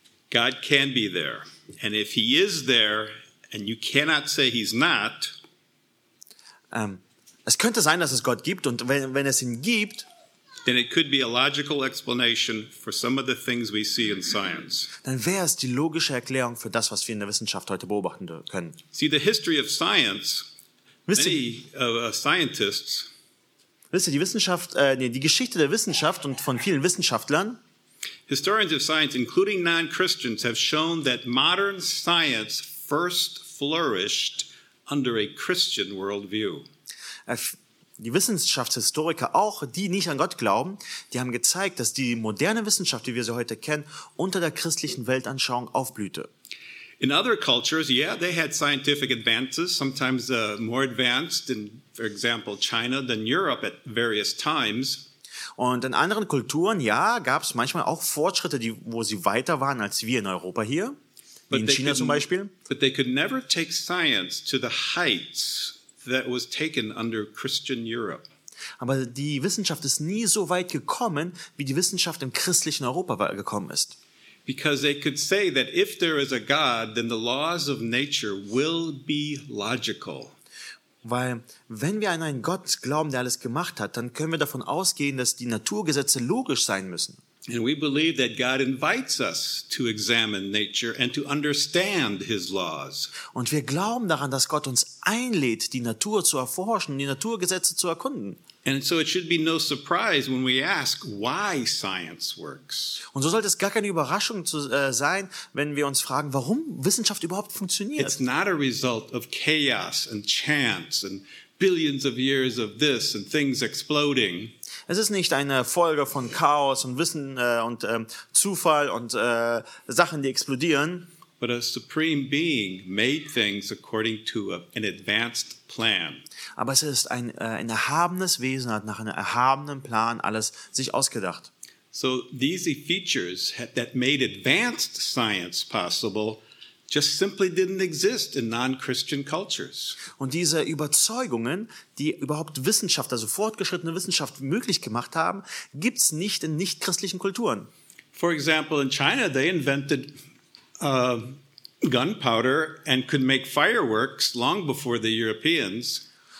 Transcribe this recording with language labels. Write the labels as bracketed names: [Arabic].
[English] God can be there, and if he is there, and you cannot say he's not. [German] Es könnte sein, dass es Gott gibt, und wenn es ihn gibt, [English] then it could be a logical explanation for some of the things we see in science. [German] Dann wäre es die logische Erklärung für das, was wir in der Wissenschaft heute beobachten können. [English] See the history of science. Many scientists. [German] Wisst ihr, die Geschichte der Wissenschaft und von vielen Wissenschaftlern. [English] Historians of science, including non-Christians, have shown that modern science first flourished under a Christian worldview. [German] Die Wissenschaftshistoriker, auch die nicht an Gott glauben, die haben gezeigt, dass die moderne Wissenschaft, wie wir sie heute kennen, unter der christlichen Weltanschauung aufblühte. [English] In other cultures, yeah, they had scientific advances, sometimes more advanced in, for example, China than Europe at various times. [German] Und in anderen Kulturen, ja, gab es manchmal auch Fortschritte, wo sie weiter waren als wir in Europa hier. In China zum Beispiel. [English] But they could never take science to the heights that was taken under Christian Europe. [German] Aber die Wissenschaft ist nie so weit gekommen, wie die Wissenschaft im christlichen Europa gekommen ist. [English] Because they could say that if there is a God, then the laws of nature will be logical. [German] Weil wenn wir an einen Gott glauben, der alles gemacht hat, dann können wir davon ausgehen, dass die Naturgesetze logisch sein müssen. [English] And we believe that God invites us to examine nature and to understand his laws. [German] Und wir glauben daran, dass Gott uns einlädt, die Natur zu erforschen, die Naturgesetze zu erkunden. [English] And so it should be no surprise when we ask why science works. [German] Und so sollte es gar keine Überraschung zu, sein, wenn wir uns fragen, warum Wissenschaft überhaupt funktioniert. [English] It's not a result of chaos and chance and billions of years of this and things exploding. [German] Es ist nicht eine Folge von Chaos und Wissen und Zufall und Sachen, die explodieren. [English] But a supreme being made things according to an advanced plan. [German] Aber es ist ein erhabenes Wesen, hat nach einem erhabenen Plan alles sich ausgedacht. [English] So these features that made advanced science possible just simply didn't exist in non-Christian cultures. [German] Und diese Überzeugungen, die überhaupt Wissenschaft, also fortgeschrittene Wissenschaft möglich gemacht haben, gibt's nicht in nicht-christlichen Kulturen. [English] For example, in China they invented gunpowder and could make fireworks long before the Europeans.